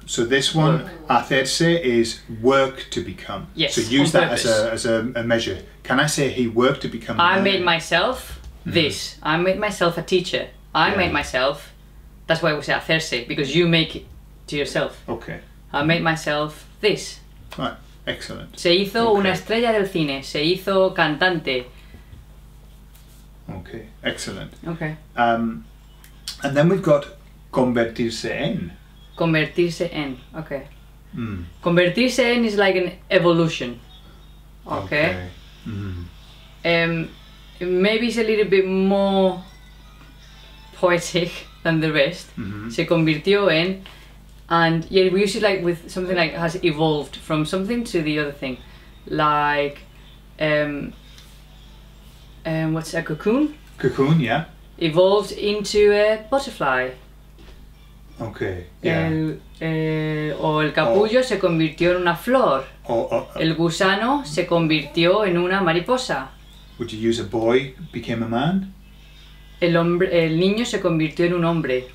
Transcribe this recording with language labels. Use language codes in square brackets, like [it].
[en] So this one, Hacerse, is work to become. Yes, so use that as a measure. Can I say he worked to become a learner? I made myself this. Mm-hmm. I made myself a teacher. Made myself, that's why we say Hacerse, because you make it to yourself. Okay. I made myself this. Right, excellent. [es] Se hizo una estrella del cine, se hizo cantante. [en] Okay, excellent. Okay. And then we've got convertirse en. [es] Convertirse en, okay. Mm. [en] Convertirse en is like an evolution. Okay. Okay. Mm. Maybe it's a little bit more poetic than the rest. Mm-hmm. [es] Se convirtió en, [en] and yeah, we use it like with something like has evolved from something to the other thing, like what's a cocoon? Cocoon, yeah. Evolved into a butterfly. Okay. Yeah. [es] El capullo se convirtió en una flor. El gusano se convirtió en una mariposa. [en] Would you use a boy became a man? [es] El hombre, el niño se convirtió en un hombre.